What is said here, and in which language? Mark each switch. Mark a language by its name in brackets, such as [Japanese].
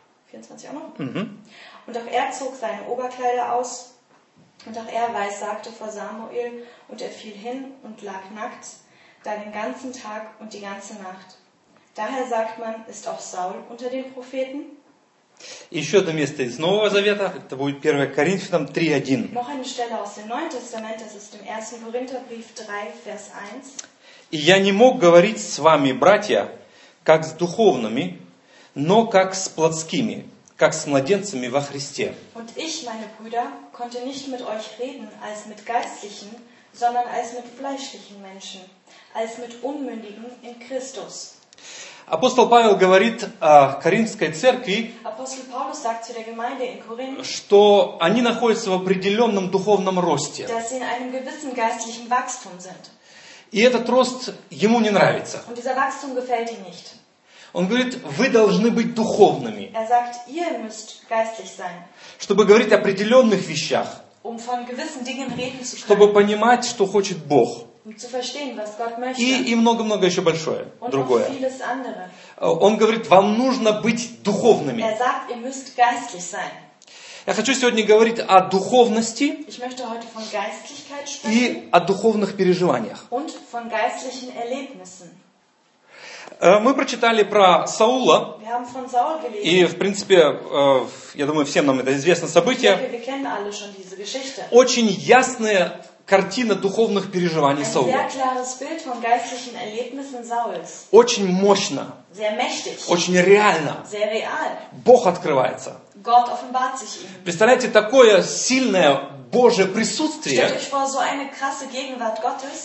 [German] 24 auch noch? Mhm. Und auch er zog seine Oberkleider aus und auch er weissagte vor Samuel und er fiel hin und lag nackt, da den ganzen Tag und die ganze Nacht. Daher sagt man, ist auch Saul unter den Propheten? [Russian] Еще одно место из Нового Завета, это будет 1 Коринфянам 3.1. [German] Noch eine Stelle aus dem Neuen Testament, das ist im 1. Korintherbrief 3, Vers 1. [Russian] И я не мог говорить с вами, братья, как с духовными, но как с плотскими, как с младенцами во Христе. [German] Und ich, meine Brüder, konnte nicht mit euch reden als mit geistlichen, sondern als mit fleischlichen Menschen, als mit Unmündigen in Christus. [Russian] Апостол Павел говорит Коринфской церкви, [English] Corinth, [Russian] что они находятся в определенном духовном росте. [German] Dass sie in einem gewissen geistlichen Wachstum sind. [Russian] И этот рост ему не нравится. [German] Und dieser Wachstum gefällt ihm nicht. [Russian] Он говорит, вы должны быть духовными. [German] Er sagt, ihr müsst geistlich sein. [Russian] Чтобы говорить о определенных вещах. [German] Um von gewissen Dingen reden zu können. [Russian] Чтобы понимать, что хочет Бог. [German] Zu verstehen, was Gott möchte. [Russian] И много-много еще большое, [German] und [Russian] другое. [German] Vieles andere. [Russian] Он говорит, вам нужно быть духовными. [German] Er sagt, ihr müsst geistlich sein. [Russian] Я хочу сегодня говорить о духовности [German] ich möchte heute von Geistlichkeit sprechen [Russian] и о духовных переживаниях. [German] Und von geistlichen Erlebnissen. [Russian] Мы прочитали про Саула. [German] Wir haben von Saul gelesen. [Russian] И, в принципе, я думаю, всем нам это известно событие. [German] Wir kennen alle schon diese Geschichte. [Russian] Очень ясная картина духовных переживаний [German] Ein [Russian] Саула. [German] Sehr klares Bild von geistlichen Erlebnissen Sauls. [Russian] Очень мощно. [German] Sehr mächtig. [Russian] Очень реально. [German] Sehr real. [Russian] Бог открывается. [German] Gott offenbart sich ihm. [Russian] Представляете, такое сильное Божье присутствие, [German] vor, so eine krasse Gegenwart Gottes,